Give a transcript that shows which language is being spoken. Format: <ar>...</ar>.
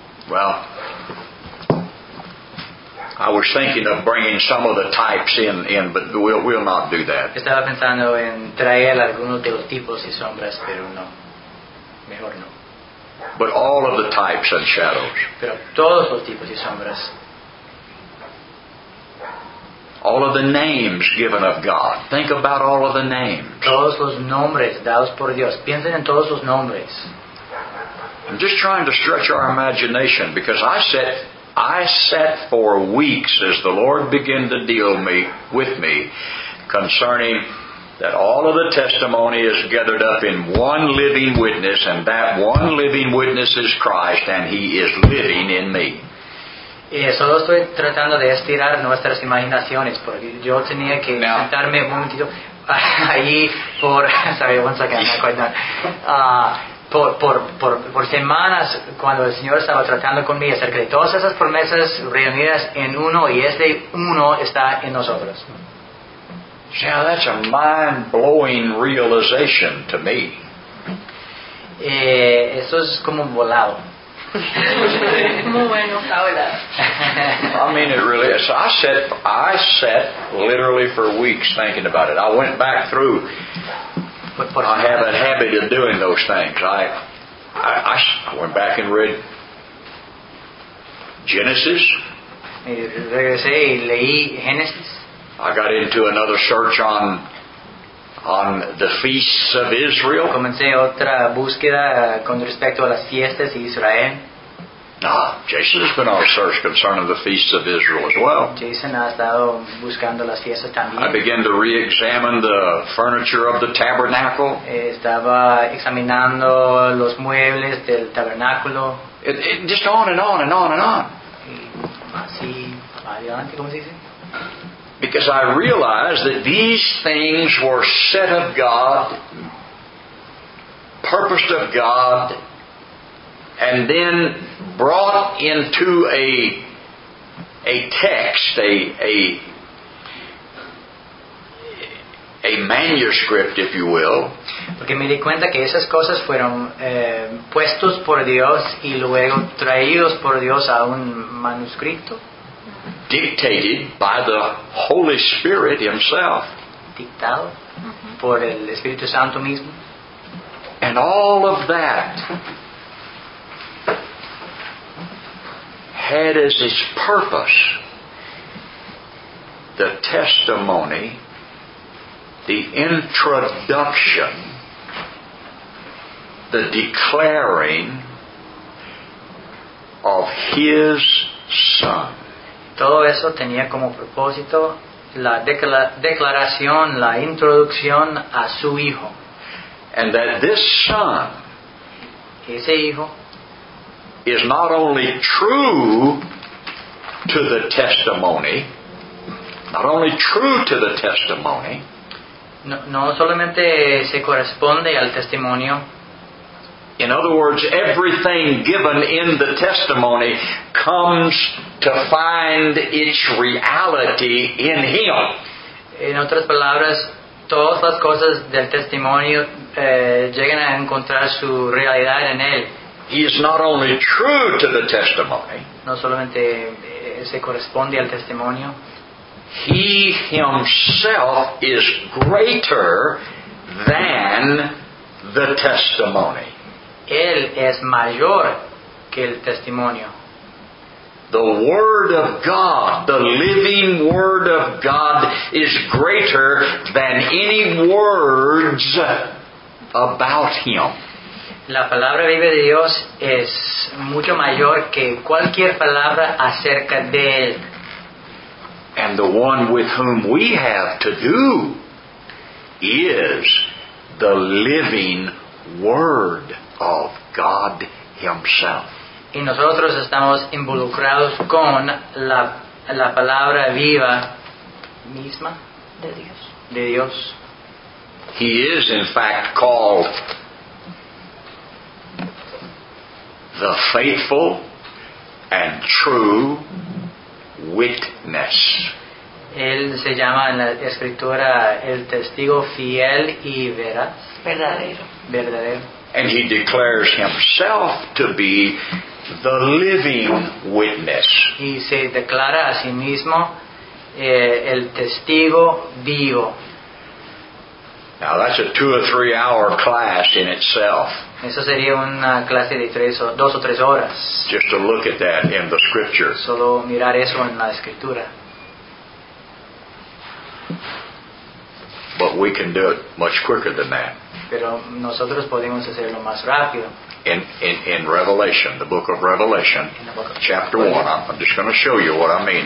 <en>Well, I was thinking of bringing some of the types in, but we'll not do that.</en> <es>Estaba pensando en traer algunos de los tipos y sombras, pero no. Mejor no.</es> <en>But all of the types and shadows.</en> <es>Pero todos los tipos y sombras.</es> <en>All of the names given of God. Think about all of the names.</en> <es>Todos los nombres dados por Dios. Piensen en todos los nombres.</es> <en>I'm just trying to stretch our imagination, because I sat for weeks as the Lord began to deal with me concerning that all of the testimony is gathered up in one living witness, and that one living witness is Christ, and He is living in me.</en> <es>Y solo estoy tratando de estirar nuestras imaginaciones, porque yo tenía que sentarme un momentito allí por...</es> <en>Sorry, one second, I'm not quite done.</en> <es>Por semanas, cuando el Señor estaba tratando conmigo acerca de todas esas promesas reunidas en uno, y este uno está en nosotros.</es> <en>Yeah, that's a mind-blowing realization to me.</en> <es>Eso es como un volado. Muy bueno, Paula.</es> <en>I mean it really is. I sat literally for weeks thinking about it. I went back through. I have a habit of doing those things. I went back and read Genesis. I got into another search on the feasts of Israel.</en> <es>Comencé otra búsqueda con respecto a las fiestas de Israel.</es> <en>Jason has been on a search concerning the feasts of Israel as well.</en> <es>Jason ha estado buscando las fiestas también.</es> <en>I began to re-examine the furniture of the tabernacle.</en> <es>Estaba examinando los muebles del tabernáculo.</es> <en>It just on and on and on and on.</en> <es>Así, adelante, ¿cómo se dice?</es> <en>Because I realized that these things were set of God, purposed of God, and then brought into a text, a manuscript, if you will.</en> <es>Porque me di cuenta que esas cosas fueron puestos por Dios y luego traídos por Dios a un manuscrito.</es> <en>Dictated by the Holy Spirit Himself.</en> <es>Dictado por el Espíritu Santo mismo.</es> <en>And all of that had as its purpose the testimony, the introduction, the declaring of His Son.</en> <es>Todo eso tenía como propósito la declaración, la introducción a su Hijo.</es> <en>And that this Son,</en> <es>ese Hijo,</es> <en>is not only true to the testimony, not only true to the testimony,</en> <es>no solamente se corresponde al testimonio.</es> <en>In other words, everything given in the testimony comes to find its reality in Him.</en> <es>En otras palabras, todas las cosas del testimonio llegan a encontrar su realidad en él.</es> <en>He is not only true to the testimony.</en> <es>No solamente se corresponde al testimonio.</es> <en>He himself is greater than the testimony.</en> <es>Él es mayor que el testimonio.</es> <en>The Word of God, the living Word of God, is greater than any words about Him.</en> <es>La palabra viva de Dios es mucho mayor que cualquier palabra acerca de Él.</es> <en>And the one with whom we have to do is the living Word of God Himself.</en> <es>Y nosotros estamos involucrados con la palabra viva misma de Dios. De Dios.</es> <en>He is in fact called the faithful and true witness.</en> <es>Él se llama en la escritura el testigo fiel y veraz. Verdadero. Verdadero.</es> <en>And he declares himself to be the living witness.</en> <es>Y se declara a sí mismo el testigo vivo.</es> <en>Now that's a 2 or 3 hour class in itself.</en> <es>Eso sería una clase de dos o tres horas.</es> <en>Just to look at that in the scripture.</en> <es>Solo mirar eso en la escritura.</es> <en>But we can do it much quicker than that.</en> <es>Pero nosotros podemos hacerlo más rápido.</es> <en>In Revelation, the book of Revelation, chapter 1, I'm just going to show you what I mean.</en>